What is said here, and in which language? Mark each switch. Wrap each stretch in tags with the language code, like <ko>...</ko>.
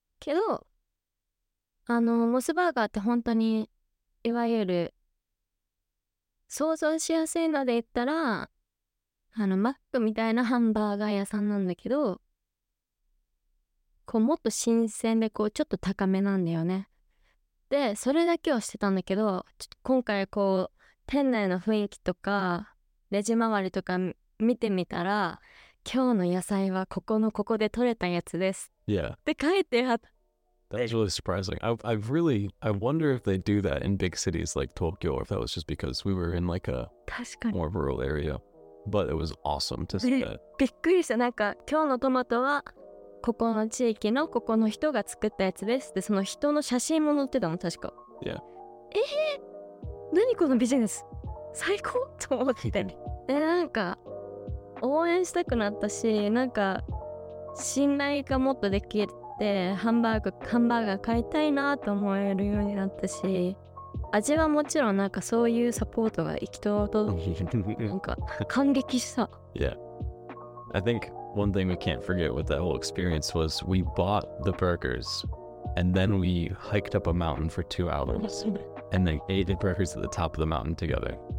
<ja>けど、モスバーガーって本当に、いわゆる、想像しやすいので言ったら、マックみたいなハンバーガー屋さんなんだけど、こうもっと新鮮でこうちょっと高めなんだよね。でそれだけをしてたんだけど、ちょっと今回こう店内の雰囲気とかレジ周りとか見てみたら、今日の野菜はここのここで採れたやつです、</ja> <en>yeah.</en> <ja>って書いてあった。</ja> <en>That was really surprising. I wonder if they do that in big cities like Tokyo, or if that was just because we were in like a more rural areaBut it was awesome to see that.</en> <ja>びっくりした。なんか今日のトマトはここの地域のここの人が作ったやつです。で、その人の写真も載ってたの、確か。</ja> <en>Yeah.</en> <ja>何このビジネス最高と思ってた。で、なんか応援したくなったし、なんか信頼がもっとできて、ハンバーガー買いたいなと思えるようになったし、味はもちろんなんかそういうサポートが行き届いて、なんか感激した。</ja> <en>Yeah. I think one thing we can't forget with that whole experience was we bought the burgers and then we hiked up a mountain for 2 hours and then ate the burgers at the top of the mountain together.</en>